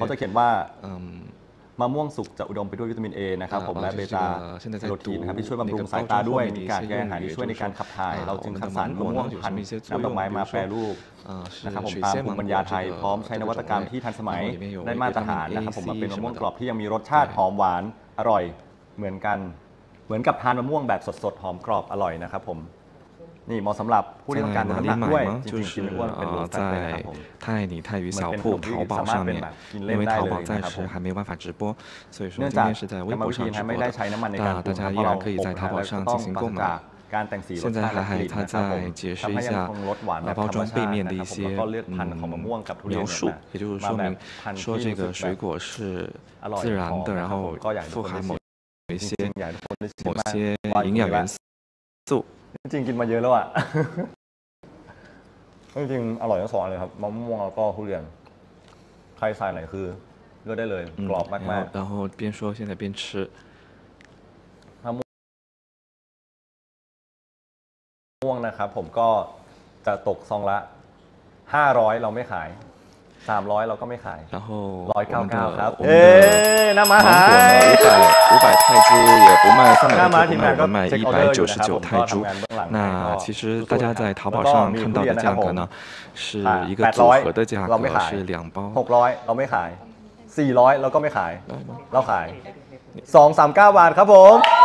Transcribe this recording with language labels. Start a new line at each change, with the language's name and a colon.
Thai: ขาจะเขียนว่ามะม่วงสุกจะอุดมไปด้วยวิตามิน A นะครับผมและเบต้าแคโรทีนนะครับที่ช่วยบำรุงสายตาด้วยมีการแก้อาหารที่ช่วยในการขับถ่ายเราจึงคัดสรรมะม่วงพันธุ์น้ำดอกไม้มาแปรรูปนะครับผมตามภูมิปัญญาไทยพร้อมใช้นวัตกรรมที่ทันสมัยได้มาตรฐานนะครับผมมาเป็นมะม่วงกรอบที่ยังมีรสชาติหอมหวานอร่อยเหมือนกันเหมือนกับทานมะม่วงแบบสดๆหอมกรอบอร่อยนะครับผมนี่เหมาะสำหรับผู้ที่ต้องการลดน้ำหนักด้วยจริงๆคิดว่าเป็นรสชาติครับผม ท่านี่ท่านวิสาผู้
Chinese: 淘宝上面因为淘宝暂时还没办法直播所以说今天是在微博上直播的但大家依然可以在淘宝上进行购买
Thai: การแต่งสี รสชาติ ที่ ท่านจะเผยให้รสหวานแบบธรรมชาติแล้วก็เลือกพันธุ์ของมะม่วงกับทุเรียนนะ
Chinese: ครับ也就是说明说这个水果是自然的然后富含某一些某些营养元素
Thai: จริงกินมาเยอะแล้วอ่ะจริงอร่อยทั้งสองเลยครับมะม่วงแล้วก็ทุเรียนใครใส่ไหนคือเลือกได้เลยกรอบมากๆแ
Chinese: ล้ว边说现在边吃
Thai: มะม่วงนะครับผมก็จะตกซองละ500เราไม่ขาย300เราก็ไม่ขาย199ครับเอ๊น้ำมาหาย
Chinese: 500泰铢也不卖300 泰铢我们卖199泰铢那其实大家在淘宝上看到的价格呢是一个组合的价格是两包
Thai: 600เราไม่ขาย400เราก็ไม่ขายเราขาย239บาทครับผม